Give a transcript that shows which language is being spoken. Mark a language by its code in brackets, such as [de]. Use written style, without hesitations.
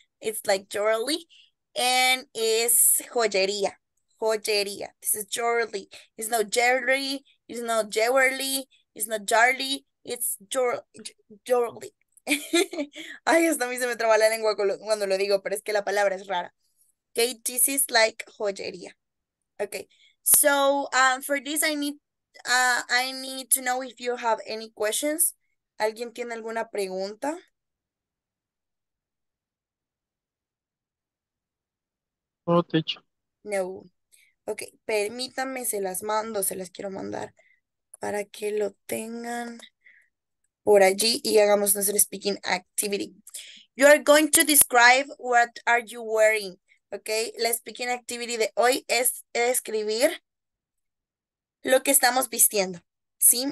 [en] It's like Jewelry and [es] es joyería. Joyería. [en] This is jewelry. It's not jewelry. It's not jewelry. It's not jarly. It's jewelry. [es] Ay, hasta a mí se me traba la lengua cuando lo digo, pero es que la palabra es rara. [en] Okay, this is like joyería. Okay. So, for this I need to know if you have any questions. [es] ¿Alguien tiene alguna pregunta? [en] No, teacher. No. [es] Ok, permítanme, se las mando, se las quiero mandar para que lo tengan por allí y hagamos nuestro speaking activity. [en] You are going to describe what are you wearing, ok? [es] La speaking activity de hoy es describir lo que estamos vistiendo, ¿sí?